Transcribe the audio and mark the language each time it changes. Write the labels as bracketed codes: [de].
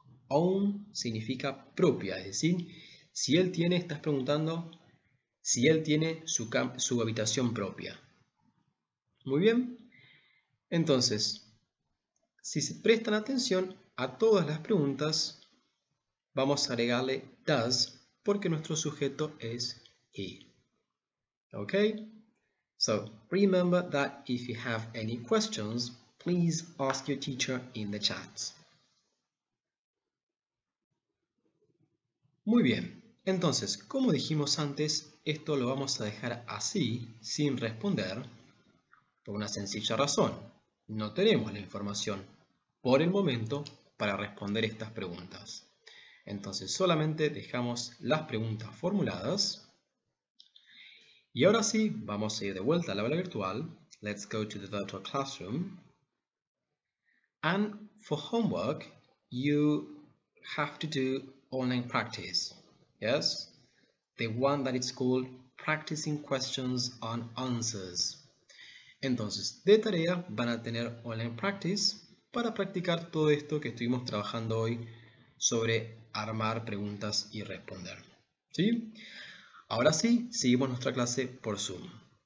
[es] Own significa propia, es decir, si él tiene, estás preguntando si él tiene su habitación propia. Muy bien. Entonces, si se prestan atención a todas las preguntas, vamos a agregarle does porque nuestro sujeto es he. ¿Ok? [en] So remember that if you have any questions, please ask your teacher in the chat. [es] Muy bien, entonces, como dijimos antes, esto lo vamos a dejar así, sin responder, por una sencilla razón. No tenemos la información, por el momento, para responder estas preguntas. Entonces, solamente dejamos las preguntas formuladas. Y ahora sí, vamos a ir de vuelta al aula virtual. [en] Let's go to the virtual classroom. And for homework, you have to do online practice. Yes? The one that is called practicing questions and answers. [es] Entonces, de tarea van a tener online practice para practicar todo esto que estuvimos trabajando hoy sobre armar preguntas y responder. ¿Sí? Ahora sí, seguimos nuestra clase por Zoom.